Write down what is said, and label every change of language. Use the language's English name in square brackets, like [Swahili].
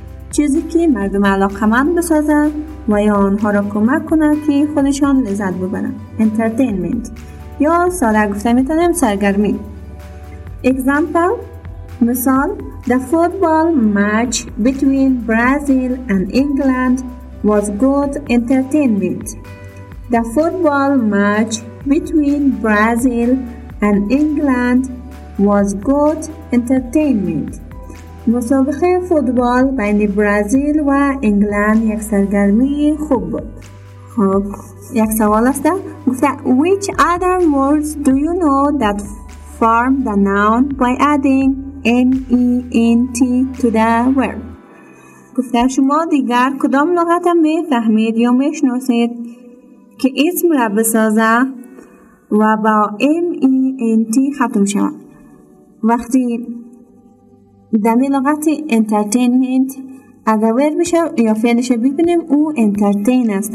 [Persian] چیزی که مردم علاقمند بسازه و یا آنها را کمک کند که خودشان لذت ببرند. Entertainment یا ساده گفته میتونم سرگرمی. [English] Example مثال The football match between Brazil and England was good entertainment. The football match between Brazil and England was good entertainment. [Persian] مسابقه فوتبال بین برزیل و انگلند یک سرگرمی خوب بود. خب یک سوال است. [English] گفته which other words do you know that form the noun by adding N-E-N-T to the word. [Persian] گفته شما دیگر کدام لغت می فهمید یا می شناسید که اسم را بسازه و با M-E-N-T ختم شد. وقتی دمی لغت entertainment اگر ور بشه یا فعلش ببینیم او entertain است.